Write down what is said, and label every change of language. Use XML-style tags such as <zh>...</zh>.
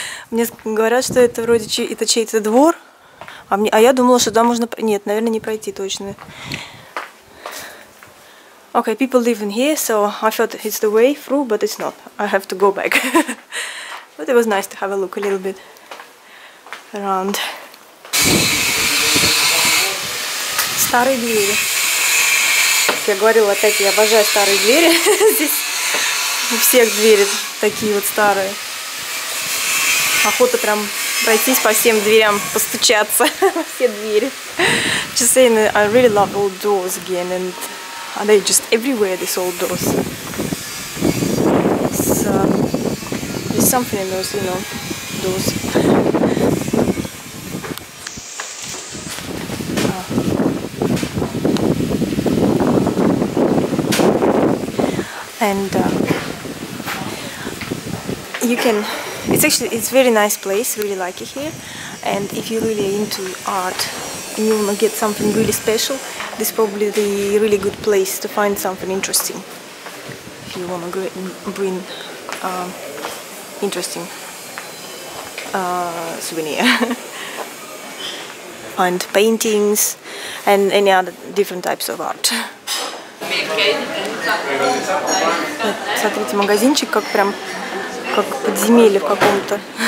<ru>Мне говорят, что это вроде это чей-то двор. А я думала, что туда можно... Нет, наверное, не пройти точно.</ru> <en>Okay, people live in here, so I thought it's the way through, but it's not. I have to go back. But it was nice to have a look a little bit around.</en> <ru>Старые двери. Как я говорила, опять я обожаю старые двери. У всех двери такие вот старые. Охота прям пройтись по всем дверям, постучаться во все двери.</ru> <en>Just saying, I really love old doors again, and are they just everywhere, these old doors? So, there's something in those, you know, doors. And you can... It's actually, it's very nice place, really like it here. And if you're really into art and you want to get something really special, this is probably the really good place to find something interesting. If you want to bring interesting souvenir. Find paintings and any other different types of art.</en> <ru>Смотрите, магазинчик как прям... как подземелье в каком-то.</ru>